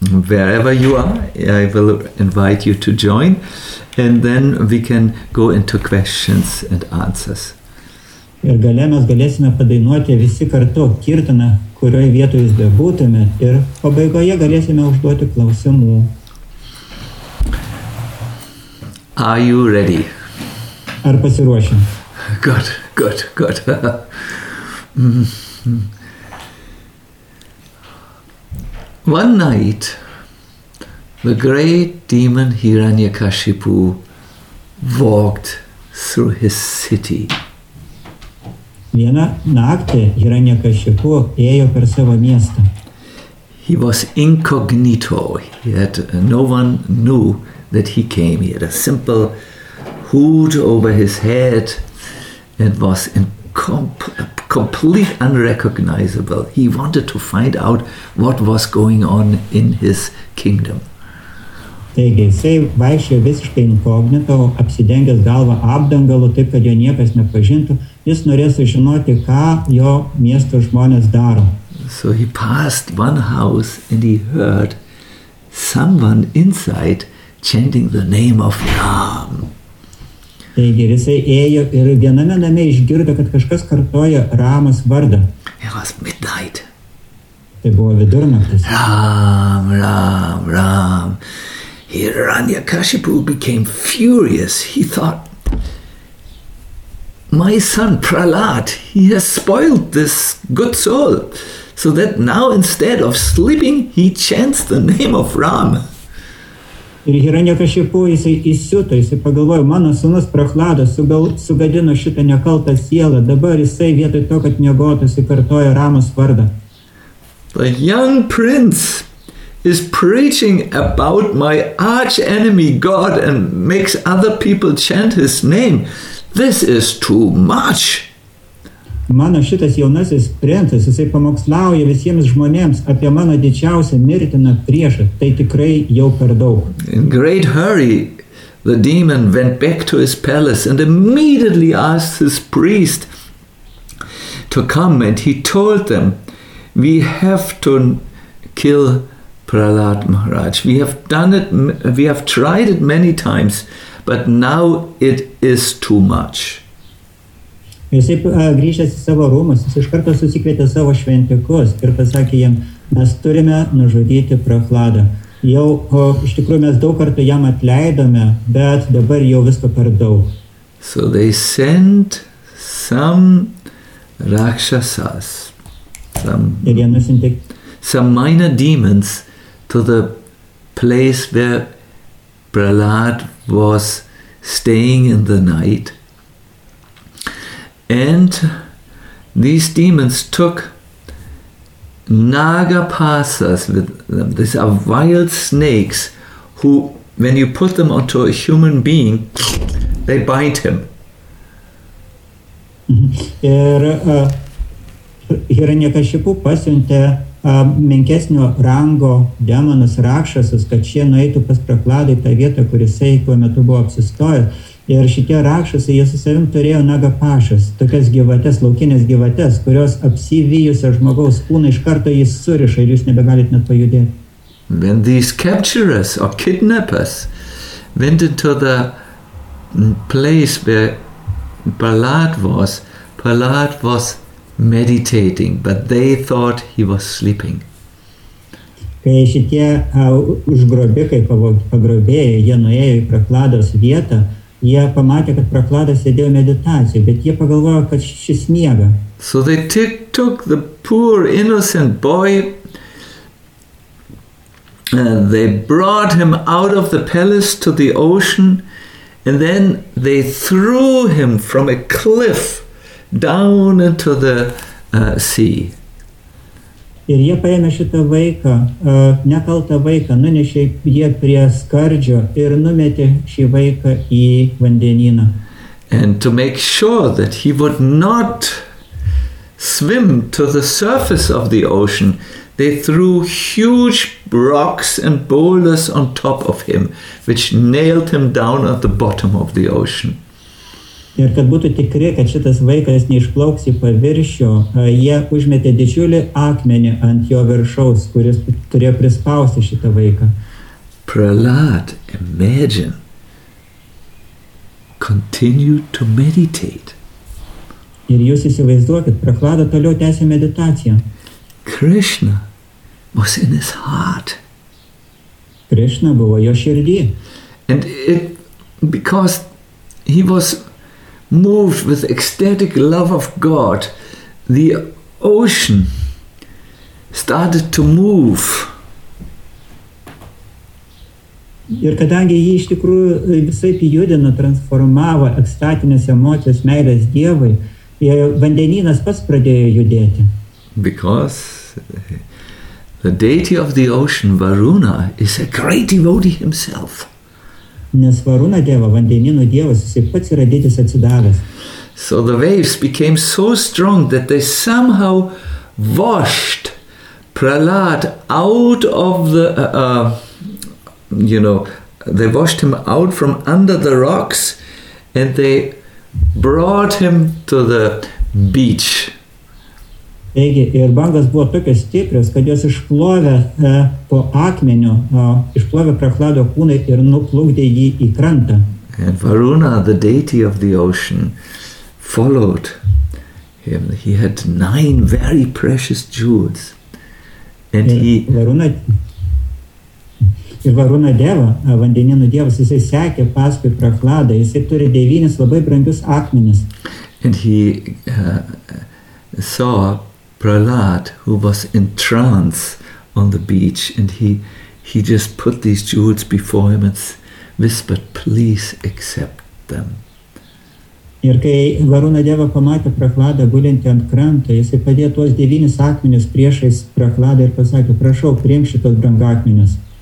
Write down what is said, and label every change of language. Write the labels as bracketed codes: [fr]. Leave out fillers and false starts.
[en] Wherever you are, I will invite you to join. And then we can go into questions and answers. [lt] Ir gale mes galėsime padainuoti visi kartu kirtaną, kurioje vietoje jūs bebūtume. Ir pabaigoje galėsime užduoti klausimų. [en] Are you ready? [lt] Ar pasiruošim? [en] Good, good, good. One night, the great demon Hiranyakashipu walked through his city. [lt] Vieną naktį Hiranyakashipu ėjo per savo miestą. [en] He was incognito, yet no one knew that he came. He had a simple hood over his head and was complete unrecognizable. He wanted to find out what was going on in his kingdom. [lt] Taigi, jisai vaikščiojo visiškai inkognito, apsidengęs galvą apdangalu, taip kad jo niekas nepažintų. Jis norėjo sužinoti, ką jo miesto žmonės daro. [en] So he passed one house and he heard someone inside chanting the name of Ram. [lt] Taigi, jisai ėjo ir viename name išgirdo, kad kažkas kartoja Ramos vardą. [en] It was midnight. [lt] Tai buvo vidurnaktis. [en] Ram, Ram, Ram. Hiranyakashipu became furious. He thought, my son Prahlad, he has spoiled this good soul, so that now instead of sleeping, he chants the name of Ram. [lt] Ir Hiranyakashipu, jisai įsiuto, jisai pagalvojo, mano sūnus Prahlada sugadino šitą nekaltą sielą, dabar jisai vietoj to, kad miegotų, kartoja Ramos vardą. [en] The young prince is preaching about my arch enemy God and makes other people chant his name. This is too much. [lt] Mano šitas jaunasis princas, jisai pamokslauja visiems žmonėms apie mano didžiausią mirtiną priešą. Tai tikrai jau per daug. [en] In great hurry, the demon went back to his palace and immediately asked his priest to come, and he told them, we have to kill Prahlad Maharaj. We have done it, we have tried it many times, but now it is too much. [lt] Jisai grįžęs į savo rūmus, jis iš karto susikvietė savo šventikus ir pasakė jam, mes turime nužudyti Prahladą. Jau, iš tikrųjų, mes daug kartų jam atleidome, bet dabar jau visko per daug. [en] So they sent some rakshasas, some minor demons to the place where Prahlad was staying in the night. And these demons took Nagapasas with them. These are wild snakes who, when you put them onto a human being, they bite him. [lt] Ir Hiranyakašipu pasiuntė menkesnio rango demonas rakšasas, kad šie nueitų pas Prahladą į tą vietą, kurisai tuo metu buvo apsistojęs. Ir šitie rakšasai, jie su savim turėjo nagapašas, tokias gyvates, laukinės gyvates, kurios apsivijusio žmogaus kūną iš karto jis suriša ir jūs nebegalit net pajudėti. [en] When these capturers or kidnappers went into the place where Prahlad was meditating, but they thought he was sleeping. [lt] Kai šitie užgrobikai, pagrobėjai, jie nuėjo į Prahlados vietą, jie pamatė, kad Prahladas sėdėjo meditacijoje, bet jie pagalvojo, kad šis miega. [en] So they took the poor innocent boy and they brought him out of the palace to the ocean, and then they threw him from a cliff down into the sea. [lt] Ir jie paėmė šitą vaiką, nekaltą vaiką, nunešė jie prie skardžio ir numetė šį vaiką į vandenyną. [en] And to make sure that he would not swim to the surface of the ocean, they threw huge rocks and boulders on top of him, which nailed him down at the bottom of the ocean. [lt] Ir kad būtų tikri, kad šitas vaikas neišplauks į paviršių, jie užmetė didžiulį akmenį ant jo viršaus, kuris turėjo prispausti šitą vaiką. [en] Prahlad, imagine, continue to meditate. [lt] Ir jūs įsivaizduokit, Prahlada toliau tęsė meditaciją. [en] Krishna was in his heart. [lt] Krishna buvo jo širdy. [en] And it, because he was moved with ecstatic love of God, the ocean started to move. [lt] Ir kadangi jį iš tikrųjų visai pijudino, transformavo ekstatinės emocijos meilės Dievui, vandenynas pats pradėjo judėti. [en] Because the deity of the ocean, Varuna, is a great devotee himself. [lt] Nes Varuna dieva, vandenino dievas, jis pats yra didis atsidavęs. [en] So the waves became so strong that they somehow washed Prahlad out of the, they washed him out from under the rocks and they brought him to the beach. [lt] Taigi, ir bangas buvo tokios stiprios, kad jos išplovė po akmeniu, išplovė Prahlado kūną ir nuplukdė jį į krantą. [en] And Varuna, the deity of the ocean, followed him. He had 9 very precious jewels. And [lt] ir, Varuna deva, vandenino dievas, jisai sekė paskui Prahladą, jisai turi 9 labai brangius akmenis. [en] And he saw Prahlad, who was in trance on the beach, and he just put these jewels before him and whispered, please accept them. [lt] Ir kai Varuna deva pamatė Prahladą gulintį ant kranto, jisai padėjo tuos 9 akmenis priešais Prahladą ir pasakė, prašau, priimk šitos brangakmenis.